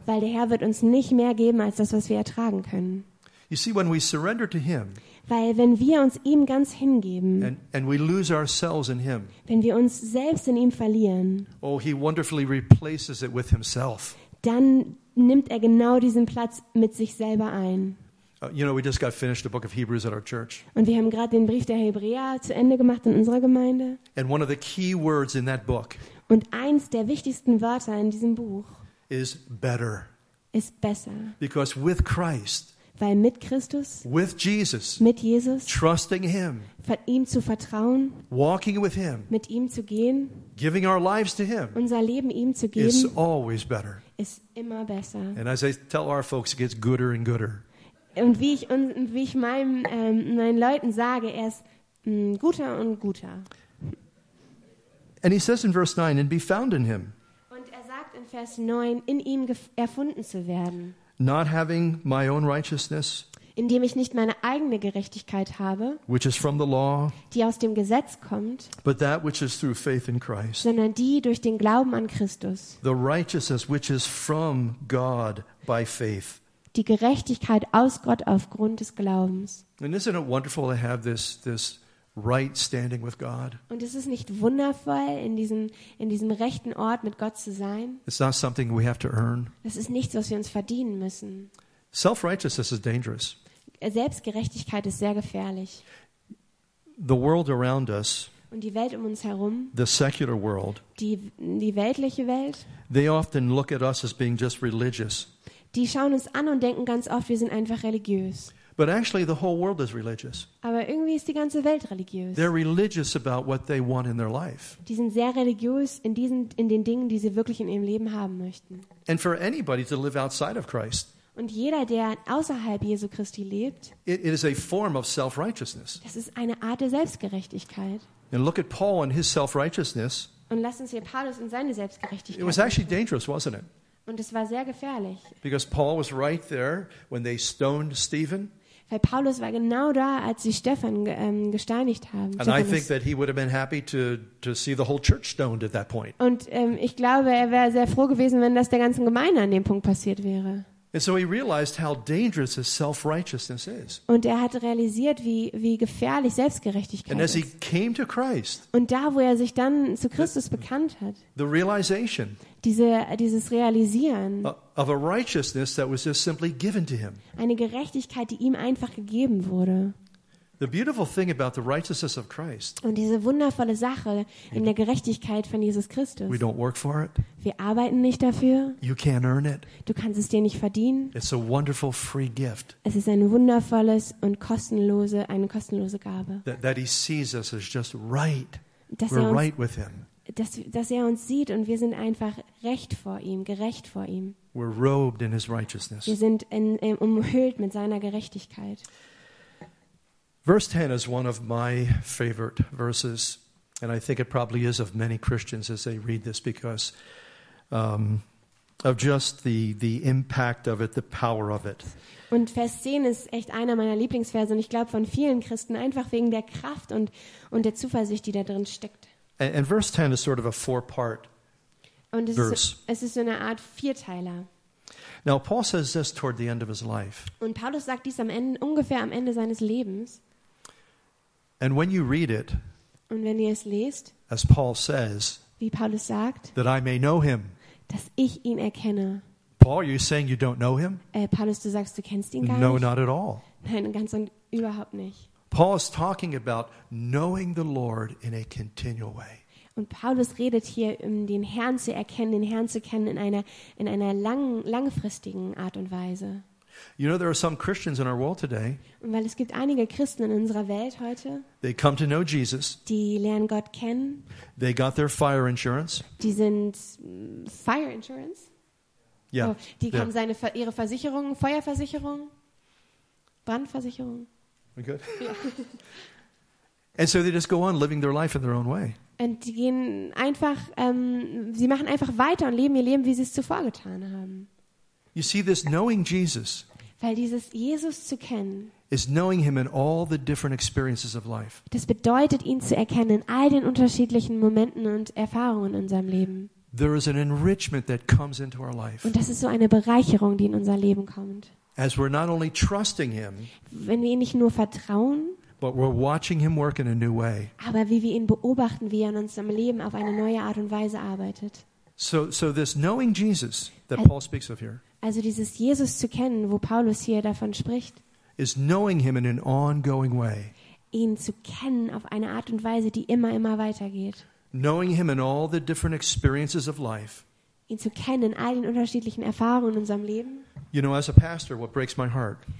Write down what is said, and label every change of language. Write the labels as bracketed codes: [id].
[de] Weil der Herr wird uns nicht mehr geben als das, was wir ertragen können. [en] You see, when we surrender to him. [de] Weil wenn wir uns ihm ganz hingeben. [en] And we lose ourselves in him. [de] Wenn wir uns selbst in ihm verlieren. [en] Oh, he wonderfully replaces it with himself. [de] Dann nimmt er genau diesen Platz mit sich selber ein. [en] You know, we just got finished the book of Hebrews at our church. [de] Und wir haben gerade den Brief der Hebräer zu Ende gemacht in unserer Gemeinde. [en] And one of the key words in that book. [de] Und eins der wichtigsten Wörter in diesem Buch. [en] Is better. [de] Ist besser. [en] Because with Christ. [de] Weil mit Christus. [en] With Jesus. [de] Mit Jesus. [en] Trusting him. [de] Ihm zu vertrauen. [en] Walking with him. [de] Mit ihm zu gehen. [en] Giving our lives to him. [de] Unser Leben ihm zu geben. [en] Is always better. [de] Ist immer besser. [en] And as I tell our folks, it gets gooder and gooder. [de] Und wie ich meinen Leuten sage, er ist guter und guter. [en] And he says in verse 9, and be found in him. [de] Und er sagt in Vers 9, in ihm erfunden zu werden. [en] Not having my own righteousness. [de] Indem ich nicht meine eigene Gerechtigkeit habe. [en] Which is from the law. [de] Die aus dem Gesetz kommt. [en] But that which is through faith in Christ. [de] Sondern die durch den Glauben an Christus. [en] The righteousness which is from God by faith. [de] Die Gerechtigkeit aus Gott aufgrund des Glaubens. [en] And isn't it wonderful to have this right standing with God? [de] Und ist es nicht wundervoll, in diesem rechten Ort mit Gott zu sein? [en] It's not something we have to earn. [de] Das ist nichts, was wir uns verdienen müssen. [en] Self-righteousness is dangerous. [de] Selbstgerechtigkeit ist sehr gefährlich. [en] The world around us, [de] und die Welt um uns herum, [en] the secular world, [de] die weltliche Welt, [en] they often look at us as being just religious. [de] Die schauen uns an und denken ganz oft, wir sind einfach religiös. [en] But actually the whole world is religious. [de] Aber irgendwie ist die ganze Welt religiös. [en] They're religious about what they want in their life. [de] Die sind sehr religiös in den Dingen, die sie wirklich in ihrem Leben haben möchten. [en] And for anybody to live outside of Christ. [de] Und jeder, der außerhalb Jesu Christi lebt. [en] It is a form of self-righteousness. [de] Das ist eine Art der Selbstgerechtigkeit. [en] And look at Paul and his self-righteousness. [de] Und lass uns hier Paulus und seine Selbstgerechtigkeit. [en] It was actually dangerous, wasn't it? [de] Und es war sehr gefährlich. [en] Because Paul was right there when they stoned Stephen. [de] Weil Paulus war genau da, als sie Stephan gesteinigt haben. [en] And I think that he would have been happy to see the whole church stoned at that point. [de] Und ich glaube, er wäre sehr froh gewesen, wenn das der ganzen Gemeinde an dem Punkt passiert wäre. [en] And so he realized how dangerous his self-righteousness is. [de] Und er hat realisiert, wie gefährlich Selbstgerechtigkeit ist. [en] And as he came to Christ. [de] Und da, wo er sich dann zu Christus bekannt hat. [en] The realization. [de] Dieses Realisieren. [en] Of a righteousness that was just simply given to him. [de] Eine Gerechtigkeit, die ihm einfach gegeben wurde. [en] The beautiful thing about the righteousness of Christ. [de] Und diese wundervolle Sache in der Gerechtigkeit von Jesus Christus. [en] We don't work for it. [de] Wir arbeiten nicht dafür. [en] You can't earn it. [de] Du kannst es dir nicht verdienen. [en] It's a wonderful free gift. [de] Es ist eine kostenlose Gabe. [en] That he sees us as just right. We're right with him. [de] Dass er uns sieht und wir sind einfach recht vor ihm, gerecht vor ihm. [en] We're robed in his righteousness. [de] Wir sind umhüllt mit seiner Gerechtigkeit. [en] Verse 10 is one of my favorite verses, and I think it probably is of many Christians as they read this because of just the impact of it, the power of it. [de] Und Vers 10 ist echt einer meiner Lieblingsverse, und ich glaube von vielen Christen einfach wegen der Kraft und der Zuversicht, die da drin steckt. [en] And verse 10 is sort of a four-part [de] und es verse. Es ist so eine Art Vierteiler. [en] Now Paul says this toward the end of his life. [de] Und Paulus sagt dies ungefähr am Ende seines Lebens. [en] And when you read it, [de] und wenn ihr es lest, [en] as Paul says, [de] wie Paulus sagt, [en] that I may know him, [de] dass ich ihn erkenne. [en] Paul, are you saying you don't know him? [de] Paulus, du sagst, du kennst ihn gar nicht? [en] No, not at all. [de] Nein, ganz und überhaupt nicht. [en] Paul is talking about knowing the Lord in a continual way. [de] Und Paulus redet hier, den Herrn zu kennen in einer langfristigen Art und Weise. [en] You know, there are some Christians in our world today. [de] Und weil es gibt einige Christen in unserer Welt heute. [en] They come to know Jesus. [de] Die lernen Gott kennen. [en] They got their fire insurance. [de] Die sind [en] fire insurance. Yeah. Oh, [de] die haben ihre Versicherung, Feuerversicherung, Brandversicherung. [en] We're good. And so they just go on living their life in their own way. [de] Und die gehen einfach, sie machen einfach weiter und leben ihr Leben, wie sie es zuvor getan haben. [en] You see, this knowing Jesus, [de] weil dieses Jesus zu kennen, [en] is knowing him in all the different experiences of life. [de] Das bedeutet, ihn zu erkennen in all den unterschiedlichen Momenten und Erfahrungen in seinem Leben. [en] There is an enrichment that comes into our life. [de] Und das ist so eine Bereicherung, die in unser Leben kommt. [en] As we're not only trusting him, [de] wenn wir ihn nicht nur vertrauen, [en] but we're watching him work in a new way. [de] Aber wie wir ihn beobachten, wie er in unserem Leben auf eine neue Art und Weise arbeitet. [en] So this knowing Jesus that Paul speaks of here. [de] Also dieses Jesus zu kennen, wo Paulus hier davon spricht. [en] Is knowing him in an ongoing way. [de] Ihn zu kennen auf eine Art und Weise, die immer weitergeht. [en] Knowing him in all the different experiences of life. [de] Ihn zu kennen in all den unterschiedlichen Erfahrungen in unserem Leben. [en] You know, as a pastor, what breaks my heart.